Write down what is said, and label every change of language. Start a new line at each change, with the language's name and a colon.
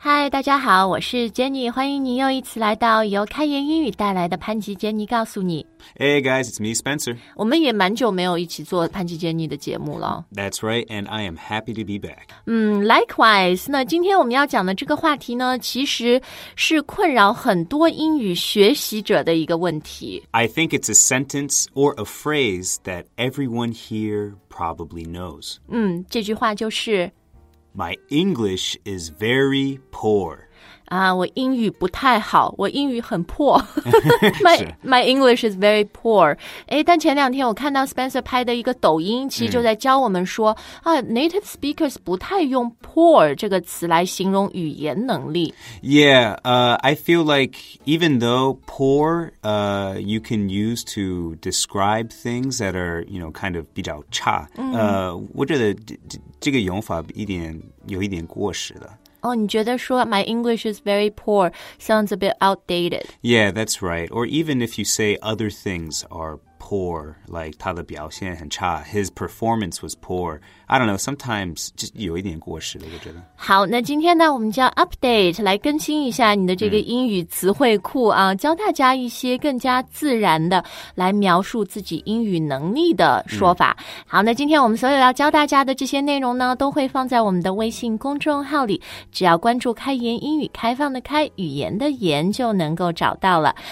Chinese: 大家好，我是 Jenny， 欢迎您又一次来到由开言英语带来的潘吉 Jenny 告诉你。
English: Hey guys, it's me, Spencer.
Chinese: 我们也蛮久没有一起做潘吉 Jenny 的节目了。
English: That's right, and I am happy to be back.
Chinese: Likewise, 那今天我们要讲的这个话题呢，其实是困扰很多英语学习者的一个问题。
English: I think it's a sentence or a phrase that everyone here probably knows.
Chinese: 这句话就是
English: My English is very poor.
Chinese: 我英语不太好，我英语很破。
English: my English is very poor.
Chinese: 但前两天我看到 Spencer 拍的一个抖音，其实就在教我们说native speakers 不太用 poor 这个词来形容语言能力。
English: Yeah, I feel like even though poor, you can use to describe things that are, you know, kind of
Chinese: 比较差。我觉得这个用法有一点过时的。
English: Oh,
Chinese: 你觉得说
English: my English is very poor sounds a bit outdated. Yeah, that's right. Or even if you say other things are poor, like
Chinese: 他的表现很差,
English: his performance was poor. I don't know, sometimes
Chinese: 就有一点过时了,我觉得。好,那今天呢,我们就要 update, 来更新一下你的这个英语词汇库啊,教大家一些更加自然的来描述自己英语能力的说法。好,那今天我们所有要教大家的这些内容呢,都会放在我们的微信公众号里,只要关注开言英语,开放的开,语言的言就能够找到了。